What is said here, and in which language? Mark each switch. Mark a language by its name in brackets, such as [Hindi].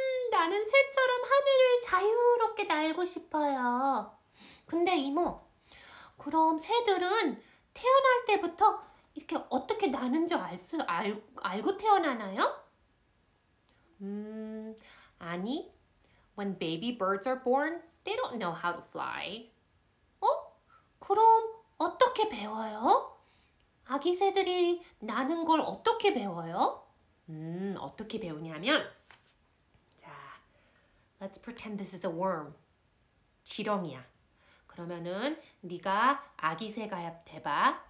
[Korean] 나는 새처럼 하늘을 자유롭게 날고 싶어요. 근데 이모, 그럼 새들은 태어날 때부터 이렇게 어떻게 나는 줄 알고 태어나나요? 아니. [English] When baby birds are born, they don't know how to fly. [Korean] 어? 그럼 어떻게 배워요? 아기 새들이 나는 걸 어떻게 배워요? 어떻게 배우냐면, 자, [English] let's pretend this is a worm. [Korean] 지렁이야. 그러면은 네가 아기 새가 돼봐.